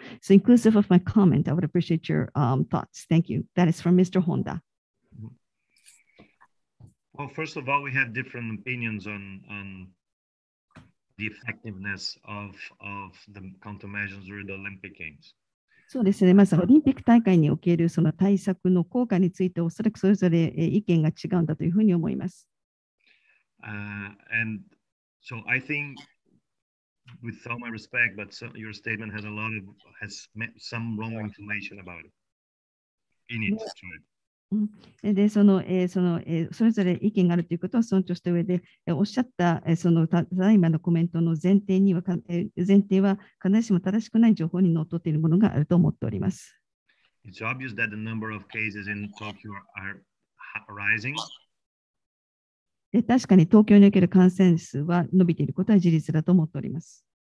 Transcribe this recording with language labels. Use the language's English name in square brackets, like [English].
[English] So inclusive of my comment, I would appreciate your thoughts. Thank you. That is from Mr. Honda. Well, first of all, we have different opinions on the effectiveness of the countermeasures during the Olympic Games. [Japanese] そうですね、まずオリンピック大会におけるその対策の効果についておそらくそれぞれ意見が違うんだというふうに思います。 [English] And so I think with all my respect, but so your statement has a lot of has some wrong information about it. In it, true. [Japanese] でその、それぞれ意見があるということを尊重した上で、おっしゃったそのただいまのコメントの前提には前提は必ずしも正しくない情報にのっとっているものがあると思っております。 [English] It's obvious that the number of cases in Tokyo are rising. [Japanese] 確かに東京における感染数は伸びていることは事実だと思っております。